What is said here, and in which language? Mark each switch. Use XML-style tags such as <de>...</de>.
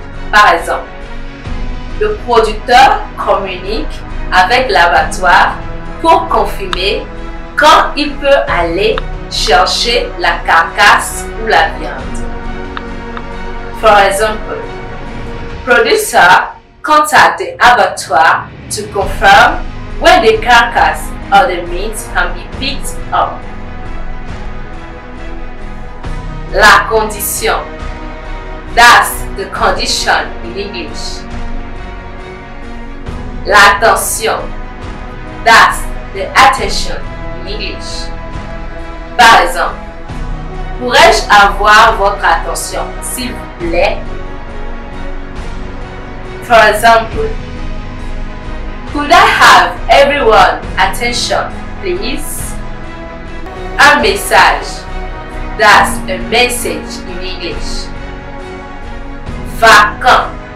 <fr>Par exemple, le producteur communique avec l'abattoir pour confirmer quand il peut aller chercher la carcasse ou la viande.</fr> <en>For example, producer contact the abattoir to confirm when the carcass or the meat can be picked up. La condition. That's the condition in English. L'attention. That's the attention in English.</en> <fr>Par exemple, pourrais-je avoir votre attention, s'il vous plaît?</fr> <en>For example, could I have everyone's attention, please? Un message. That's a message in English. Vacant.</en>